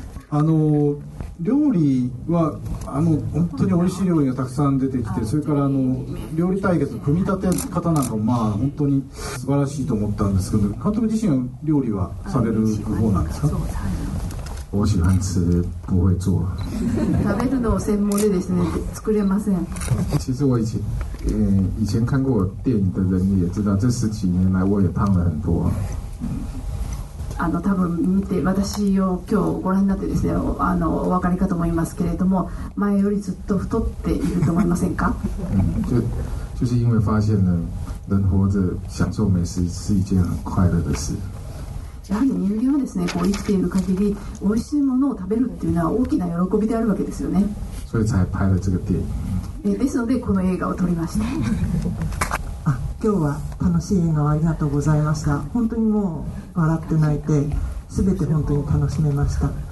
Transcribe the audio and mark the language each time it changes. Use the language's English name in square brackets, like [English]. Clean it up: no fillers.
[Japanese] あの料理はあの本当に美味しい料理がたくさん出てきて、それからあの料理対決の組み立て方なんかもまあ本当に素晴らしいと思ったんですけど、監督自身は料理はされる方なんですか？ [Chinese] 我喜欢吃，不会做。 [Japanese] 食べるのを専門でですね、作れません。 [Chinese] 其实我以前看过我电影的人也知道，这十几年来我也胖了很多。 [Japanese] あの多分見て私を今日ご覧になってですね、あのお分かりかと思いますけれども、前よりずっと太っていると思いませんか？ [Chinese] 就是因为发现了人活着享受美食是一件很快乐的事。 [Japanese] やはり人間はですね、こう生きている限り美味しいものを食べるっていうのは大きな喜びであるわけですよね。それ [Chinese] 才拍了这个电影。 [Japanese] ですのでこの映画を撮りました。あ、今日は楽しい映画をありがとうございました。本当にもう笑って泣いて全て本当に楽しめました。